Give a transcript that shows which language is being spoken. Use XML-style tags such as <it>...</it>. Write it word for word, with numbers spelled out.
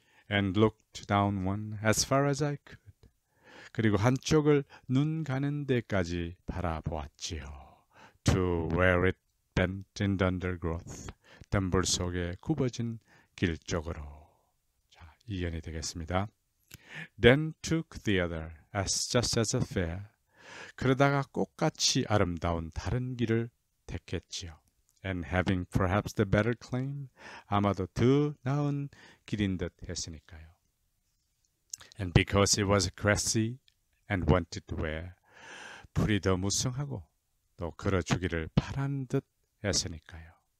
<en>And looked down one as far as I could.</en> <ko>그리고 한쪽을 눈 가는 데까지 바라보았지요.</ko> <en>To where it bent in the undergrowth.</en> <ko>덤불 속에 굽어진 길 쪽으로. 자, 이견이 되겠습니다.</ko> <en>Then took the other as just as a fair.</en> <ko>그러다가 꽃같이 아름다운 다른 길을 택했지요.</ko> <en>And having perhaps the better claim,</en> <ko>아마도 더 나은 길인 듯 했으니까요.</ko> <en>And because it was grassy and wanted wear,</en> <ko>풀이 더 무성하고 또 걸어주기를 바란 듯 했으니까요.</ko>